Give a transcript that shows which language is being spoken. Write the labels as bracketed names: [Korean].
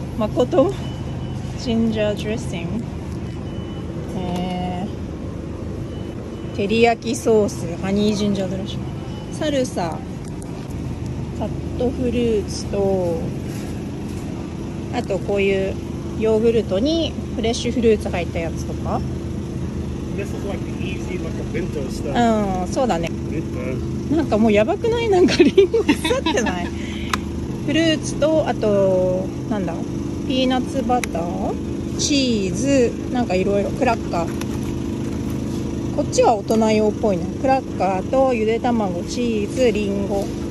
[Japanese] まこと、ジンジャードレッシング、照り焼きソース、ハニージンジャードレッシング、サルサ、カットフルーツと、あとこういうヨーグルトにフレッシュフルーツ入ったやつとか。 [English] This is like the easy, like a bento stuff. [Japanese] うん、そうだね。なんかもうやばくない、なんかリンゴ腐ってない。フルーツと、あとなんだ、ピーナッツバター、チーズ、なんかいろいろ、クラッカー、こっちは大人用っぽいね。クラッカーとゆで卵、チーズ、リンゴ、